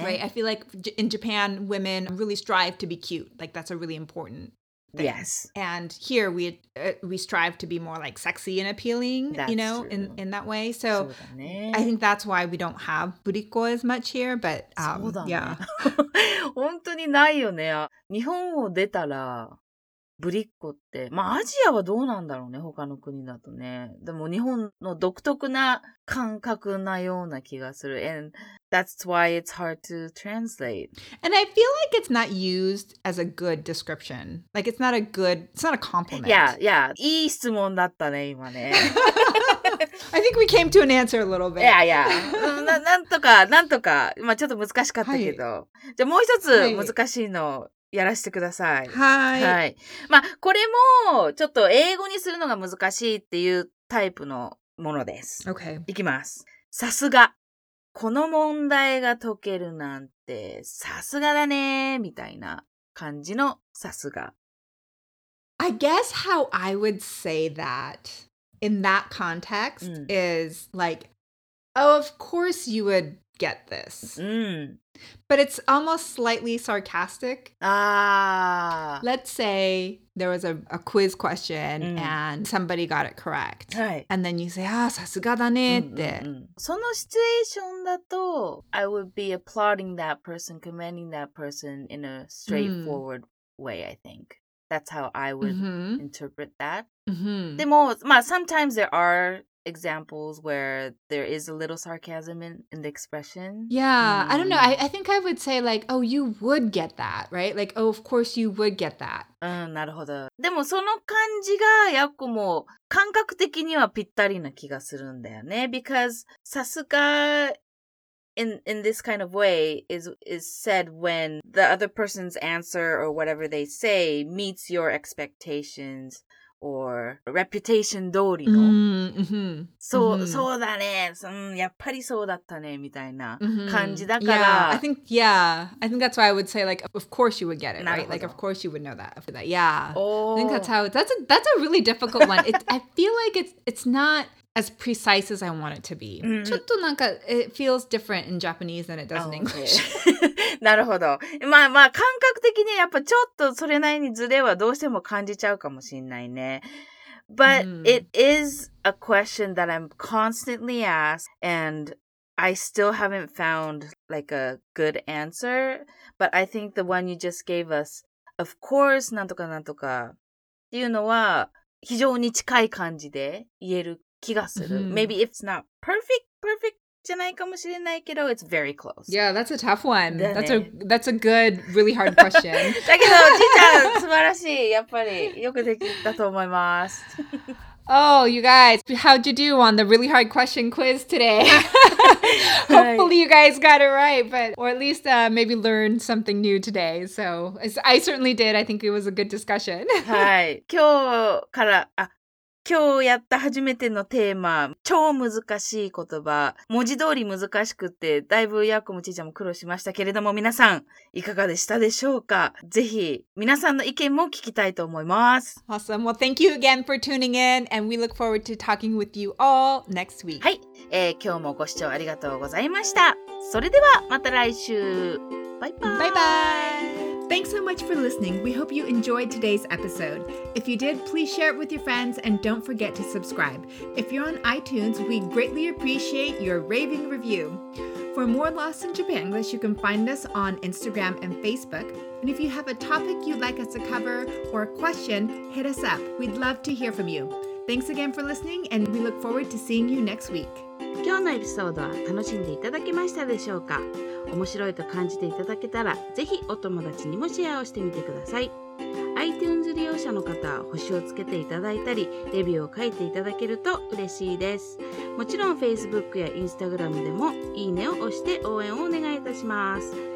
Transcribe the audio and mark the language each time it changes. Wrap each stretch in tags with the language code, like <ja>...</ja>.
<en>Right? I feel like in Japan, women really strive to be cute. Like, that's a really important thing. Yes. And here, we strive to be more like sexy and appealing, in that way. So I think that's why we don't have buriko as much here, but yeah.</en> <ja>本当にないよね。日本を出たら、ブリッコって、まあアジアはどうなんだろうね、他の国だとね。でも日本の独特な感覚なような気がする。</ja> <en>And that's why it's hard to translate. And I feel like it's not used as a good description. Like it's not a good, it's not a compliment. Yeah, yeah.</en> <ja>いい質問だったね、今ね。</ja> <en>I think we came to an answer a little bit. Yeah, yeah.</en> <ja>なんとか、まあちょっと難しかったけど。はい、じゃあもう一つ難しいの。はいやらせてください。はい。はい。まあ、これも、ちょっと英語にするのが難しいっていうタイプのものです。</ja> <en>Okay.</en> <ja>いきます。さすが。この問題が解けるなんて、さすがだね、みたいな感じのさすが。</ja> <en>I guess how I would say that in that context is like, oh, of course you would get this. But it's almost slightly sarcastic. Let's say there was a quiz question and somebody got it correct. And then you say, ah,</en> <ja>さすがだねって。そのシチュエーションだと、</ja> <en>I would be applauding that person, commending that person in a straightforward way, I think. That's how I would interpret that.</en> <ja>でも、まあ、</ja> <en>sometimes there are... examples where there is a little sarcasm in the expression. Yeah, I don't know. I think I would say like, oh, you would get that, right? Like, oh, of course you would get that.</en> <ja>なるほど。でもその感じがやっこも感覚的にはぴったりな気がするんだよね。</ja> <en>Because さすが in this kind of way is said when the other person's answer or whatever they say meets your expectations. Or reputation</en> <ja>通りの、そう、そうだね、やっぱりそうだったねみたいな感じだから。</ja> <en>Yeah, I think, yeah, I think that's why I would say like, of course you would get it, right? Like, of course you would know that. After that. Yeah, I think that's a really difficult one. I feel like it's not as precise as I want it to be.</en> <ja>ちょっとなんか</ja> <en>it feels different in Japanese than it does in English.</en> <ja>なるほど。まあまあ感覚的にやっぱちょっとそれなりにズレはどうしても感じちゃうかもしれないね。</ja> <en>But it is a question that I'm constantly asked and I still haven't found like a good answer. But I think the one you just gave us, of course,</en> <ja>なんとかなんとかっていうのは非常に近い感じで言える気がする。</ja> <en>Maybe it's not perfect.</en> <ja>じゃないかもしれないけど、</ja> <en>it's very close. Yeah, that's a tough one. That's a good, really hard question.</en> <ja>だけど、じいちゃん、素晴らしい。やっぱり、よくできたと思います。</ja> <en>Oh, you guys, how'd you do on the really hard question quiz today? Hopefully you guys got it right, or at least maybe learned something new today. So, I certainly did. I think it was a good discussion.</en> <ja>はい。今日から、あ、今日やった初めてのテーマ、超難しい言葉、文字通り難しくってだいぶヤコもちーちゃんも苦労しましたけれども、皆さんいかがでしたでしょうか。ぜひ皆さんの意見も聞きたいと思います。</ja> <en>Awesome. Well, thank you again for tuning in and we look forward to talking with you all next week.</en> <ja>はい、今日もご視聴ありがとうございました。それではまた来週。バイバイ。バイバイ。</ja> <en>Thanks so much for listening. We hope you enjoyed today's episode. If you did, please share it with your friends and don't forget to subscribe. If you're on iTunes, we'd greatly appreciate your raving review. For more Lost in Japanglish, you can find us on Instagram and Facebook. And if you have a topic you'd like us to cover or a question, hit us up. We'd love to hear from you. Thanks again for listening and we look forward to seeing you next week.</en> <ja>今日のエピソードは楽しんでいただけましたでしょうか。面白いと感じていただけたら、ぜひお友達にもシェアをしてみてください。 iTunes 利用者の方は星をつけていただいたり、レビューを書いていただけると嬉しいです。もちろん Facebook や Instagram でもいいねを押して応援をお願いいたします。</ja>